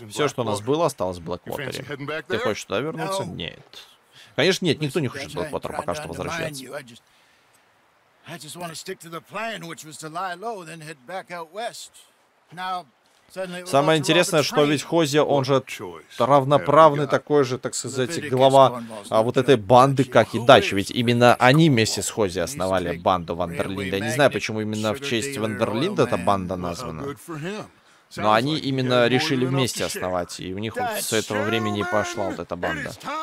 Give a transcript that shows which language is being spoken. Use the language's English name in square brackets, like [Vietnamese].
[Russian] Все, что у нас было, осталось в Блэквотере. Ты хочешь туда вернуться? Нет. Конечно, нет. Никто не хочет в Блэквотер пока что возвращаться. [English] I just want to stick to the plan, which was to lie low, then head back out west. Now, suddenly, [Russian] самое интересное, что ведь Хозе, он же равноправный такой же, так сказать, глава вот этой банды, как и Дач. Ведь именно они вместе с Хозе основали банду Вандерлинда. Я не знаю, почему именно в честь Вандерлинда эта банда названа. Но они именно решили вместе основать, и у них вот с этого времени пошла вот эта банда.